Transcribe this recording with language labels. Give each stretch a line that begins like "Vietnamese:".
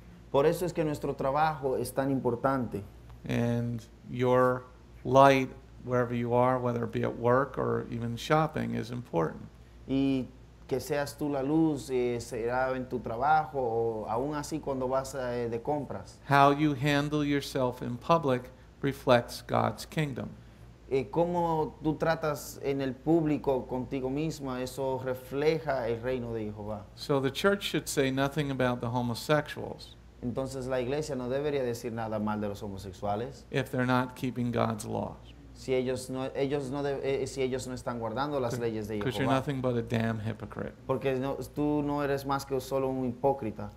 Spanish: Por eso es que nuestro trabajo es tan importante.
English: And your light, wherever you are, whether it be at work or even shopping, is important.
Spanish: Y que seas tú la luz, será en tu trabajo o aún así cuando vas de compras.
English: How you handle yourself in public reflects God's kingdom.
Spanish: Cómo tú tratas en el público contigo misma, eso refleja el reino de Jehová.
English: So the church should say nothing about the homosexuals.
Spanish: Entonces la iglesia no debería decir nada mal de los homosexuales.
English: If they're not keeping God's laws.
Spanish: Si ellos no están guardando las leyes de Jehová.
English: Because you're nothing but a damn hypocrite.
Spanish: Porque no, tú no eres más que solo un hipócrita.